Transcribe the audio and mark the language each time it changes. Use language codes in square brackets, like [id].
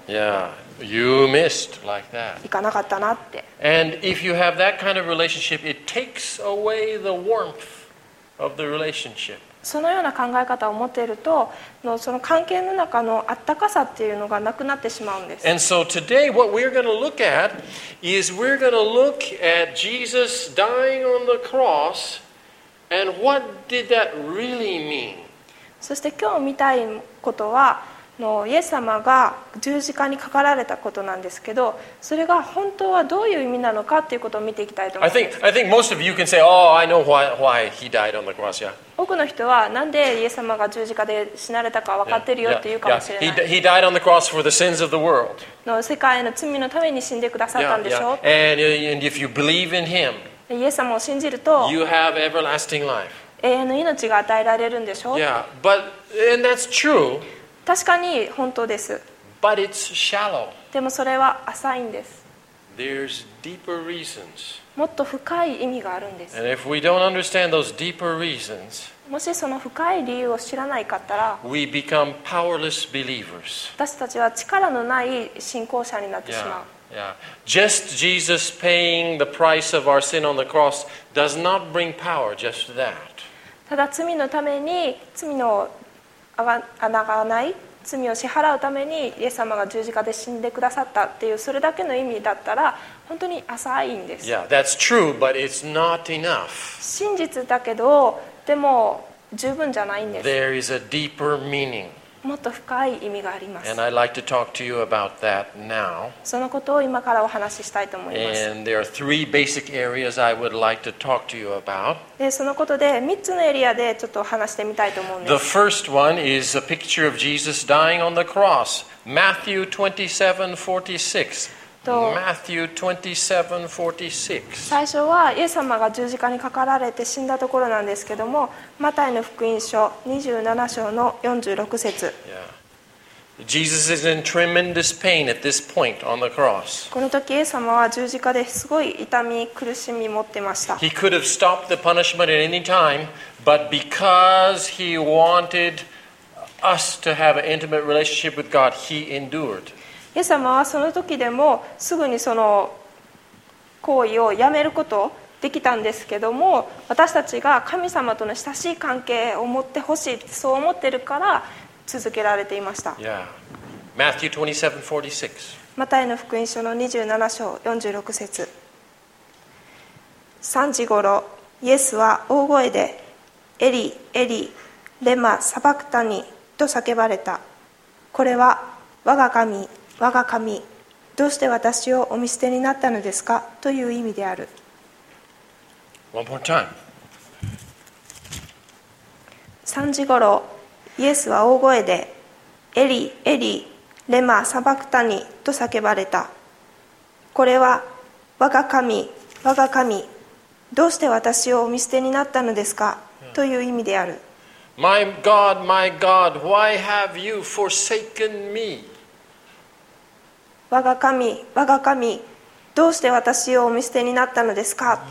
[en] Yeah, you missed like that. [ja] 行かなかったなって。 [en] And if you have that kind of relationship, it takes away the warmth. Of the relationship. [ja] そのような考え方を持っているとのその関係の中のあったかさっていうのがなくなってしまうんです。 [en] And so today what we're going to look at is we're going to look at Jesus dying on the cross and what did that really mean? [ja] そして今日見たいことはのイエス様が十字架にかかられたことなんですけど、それが本当はどういう意味なのかということを見ていきたいと思います。 [en] I think most of you can say, oh, I know why he died on the cross. Yeah. [ja] 多くの人はなんでイエス様が十字架で死なれたか分かってるよって言うかもしれない。 [en] Yeah. He died on the cross for the sins of the world. [ja] の世界への罪のために死んでくださったんでしょう。 [en] Yeah, yeah. And if you believe in him, [ja] イエス様を信じると、 [en] you have everlasting life. [ja] 永遠の命が与えられるんでしょう。 [en] Yeah, but and that's true. [ja] 確かに本当です。 [en] But it's shallow. [ja] でもそれは浅いんです。 [en] There's deeper reasons. [ja] もっと深い意味があるんです。 [en] And if we don't understand those deeper reasons, [ja] もしその深い理由を知らないかったら、 [en] we become powerless believers. [ja] 私たちは力のない信仰者になってしまう。 [en] Yeah, yeah. Just Jesus paying the price of our sin on the cross does not bring power, just that. [ja] ただ罪のために罪の穴がない罪を支払うためにイエス様が十字架で死んでくださったっていうそれだけの意味だったら本当に浅いんです。 [en] Yeah, that's true, but it's not enough. [ja] 真実だけどでも十分じゃないんです。 [en] There is a deeper meaning. [ja] もっと深い意味があります。 [en] And I'd like to talk to you about that now. [ja] そのことを今からお話ししたいと思います。 [en] And there are three basic areas I would like to talk to you about. [ja] で、そのことで3つのエリアでちょっと話してみたいと思うんです。 [en] The first one is a picture of Jesus dying on the cross. Matthew 27:46. と、Matthew 27:46。 [ja] 最初はイエス様が十字架にかかられて死んだところなんですけども、マタイの福音書27章の46節。 [en] Jesus is in tremendous pain at this point on the cross. [ja] この時イエス様は十字架ですごい痛み、苦しみ持ってました。 [en] He could have stopped the punishment at any time, but because he wanted us to have an intimate relationship with God, he endured. [ja] イエス様はその時でもすぐにその行為をやめることできたんですけども、私たちが神様との親しい関係を持ってほしい、そう思ってるから続けられていました。 [en] Matthew 27:46。 [ja] マタイの福音書の27章46節。3時ごろ、イエスは大声で、エリ、エリ、レマ、サバクタニと叫ばれた。これは、我が神、我が神、どうして私をお見捨てになったのですかという意味である。 [en] One more time。 [ja] 3時ごろ、イエスは大声で、エリ、エリ、レマ、サバクタニと叫ばれた。これは、我が神、我が神、どうして私をお見捨てになったのですかという意味である。 [en] My God, my God, why have you forsaken me? [ja] 我が神、我が神、どうして私をお見捨てになったのですか。